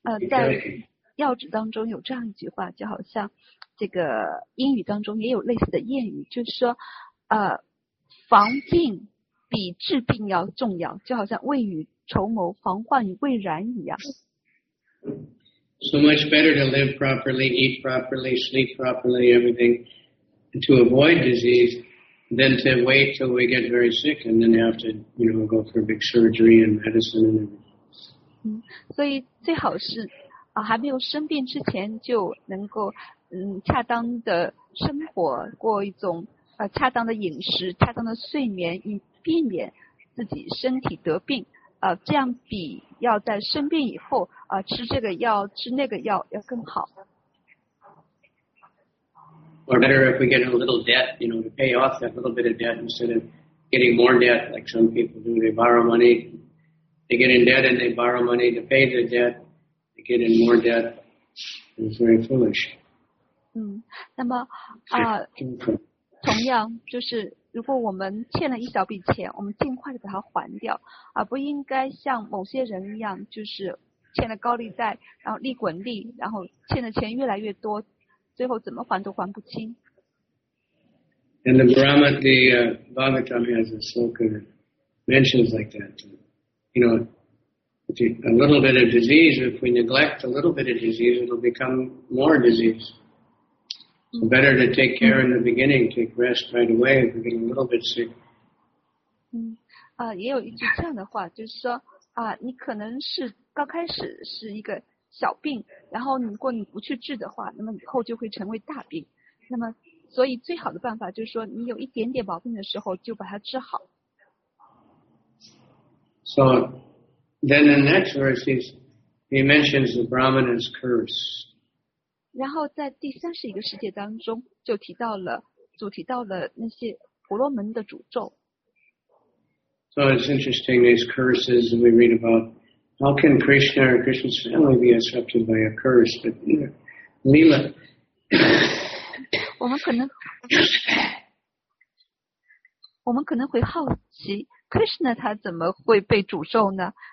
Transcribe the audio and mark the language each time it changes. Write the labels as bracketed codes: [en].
[zh] 在药旨当中有这样一句话，就好像这个英语当中也有类似的谚语，就是说防病比治病要重要，就好像未雨绸缪，防患于未然一样。 [en] So much better to live properly, eat properly, sleep properly, everything to avoid disease than to wait till we get very sick and then have to, you know, go for big surgery and medicine and everything. [zh] 所以最好是还没有生病之前就能够恰当的生活，过一种恰当的饮食，恰当的睡眠，以避免自己身体得病，这样比要在生病以后吃这个药吃那个药要更好。 [en] Or better if we get a little debt, you know, to pay off that little bit of debt instead of getting more debt like some people do. They borrow money, they get in debt and they borrow money to pay the debt, they get in more debt. It's very foolish. [zh] 那么同样就是如果我们欠了一小笔钱，我们尽快的把它还掉，而不应该像某些人一样，就是欠了高利贷，然后利滚利，然后欠的钱越来越多，最后怎么还都还不清。 [en] And the Brahma, the Bhagavatam has a sloka that mentions like that too. You know, a little bit of disease, if we neglect a little bit of disease, it'll become more disease. So better to take care in the beginning, take rest right away if you're getting a little bit sick. [zh] 也有一句这样的话，就是说你可能是刚开始是一个小病，然后如果你不去治的话，那么以后就会成为大病。那么所以最好的办法就是说你有一点点毛病的时候就把它治好。 [en] So then the next verse he mentions the Brahmana's curse. [zh] 然后在第三十一个世界当中就提到了那些婆罗门的诅咒。 [en] So it's interesting, these curses we read aboutHow can Krishna or Krishna's family be accepted by a curse? But Leela. [zh] 我们可能会好奇 ，Krishna 他怎么会被诅咒呢？